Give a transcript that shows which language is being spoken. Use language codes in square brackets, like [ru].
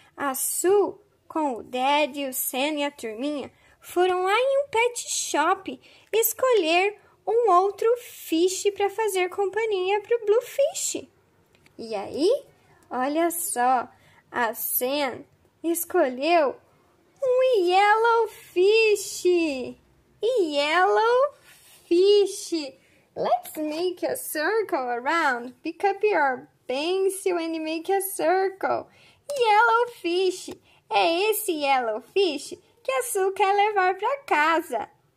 [pt] A Sue, com o Dad, o Sam e a turminha, foram lá em um pet shop escolher um outro fish para fazer companhia para o Blue Fish. E aí, olha só, a Sam escolheu um Yellow Fish. [en] Yellow Fish. Let's make a circle around. Pick up your pencil and make a circle. Yellow Fish. [pt] É esse Yellow Fish que a Sue quer levar para casa.